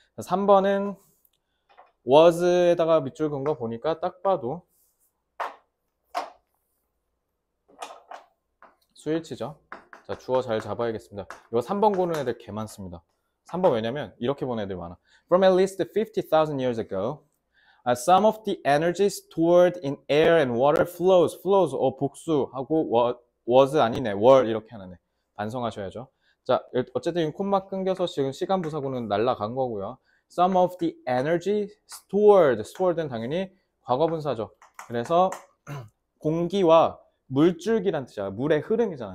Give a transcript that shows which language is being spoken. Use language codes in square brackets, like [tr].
[ko] 3번은 was에다가 밑줄 그은 거 보니까 딱 봐도 수일치죠. 자, 주어 잘 잡아야겠습니다. 이거 3번 고르는 애들 개 많습니다. 3번 왜냐면 이렇게 보는 애들 많아. [en] From at least 50,000 years ago, some of the energy stored in air and water flows. [ko] Flows, 복수하고 was 아니네. were 이렇게 하는 애. 반성하셔야죠. 자, 어쨌든 콤마 끊겨서 지금 시간 부사고는 날라간 거고요. [en] Some of the energy stored. Stored은 [ko] 당연히 과거분사죠. 그래서 공기와 물줄기란 뜻이야. 물의 흐름이잖아.